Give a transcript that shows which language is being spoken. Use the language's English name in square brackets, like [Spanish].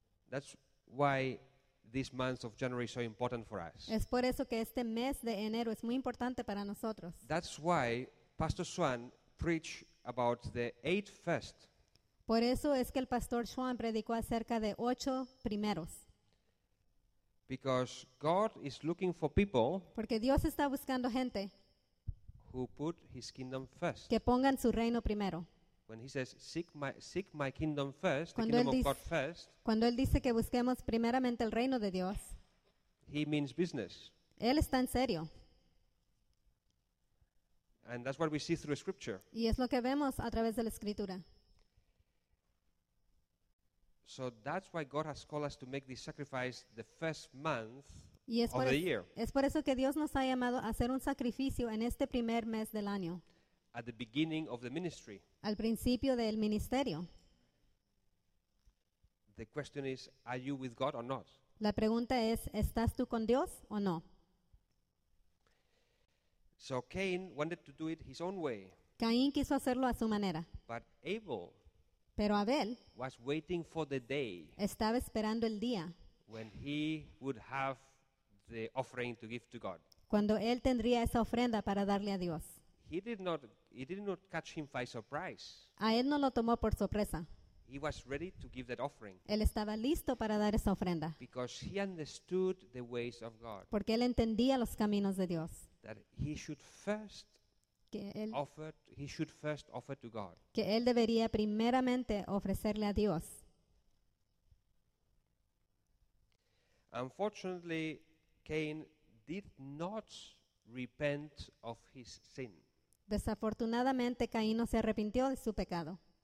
[English] That's why this month of January is so important for us. [Spanish] Es por eso que este mes de enero es muy importante para nosotros. [English] That's why Pastor Swan preached about the eight first. [Spanish] Por eso es que el Pastor Swan predicó acerca de ocho primeros. [English] Because God is looking for people. [Spanish] Porque Dios está buscando gente. [English] Who put his kingdom first. [Spanish] Que pongan su reino primero. [English] When he says seek my kingdom first, cuando the kingdom of God first. [Spanish] Cuando él dice que busquemos primeramente el reino de Dios. [English] He means business. [Spanish] Él está en serio. [English] And that's what we see through scripture. [Spanish] Y es lo que vemos a través de la escritura. [English] So that's why God has called us to make this sacrifice the first month of the year. [Spanish] Es por eso que Dios nos ha llamado a hacer un sacrificio en este primer mes del año. [English] At the beginning of the ministry. [Spanish] Al principio del ministerio. [English] The question is, are you with God or not? [Spanish] La pregunta es, ¿estás tú con Dios o no? [English] So Cain wanted to do it his own way. [Spanish] Caín quiso hacerlo a su manera. [English] But Abel. [Spanish] Pero Abel [English] was waiting for the day. [Spanish] Estaba esperando el día. [English] When he would have the offering to give to God. [Spanish] Cuando él tendría esa ofrenda para darle a Dios. [English] He did not catch him by surprise. [Spanish] A él no lo tomó por sorpresa. [English] He was ready to give that offering. [Spanish] Él estaba listo para dar esa ofrenda. [English] Because he understood the ways of God. [Spanish] Porque él entendía los caminos de Dios. [English] That he should first [Spanish] que él [English] offered, he should first offer to God. [Spanish] Que él debería primeramente ofrecerle a Dios. [English] Unfortunately, Cain did not repent of his sin. [Spanish] Desafortunadamente, Caín no se arrepintió de su pecado.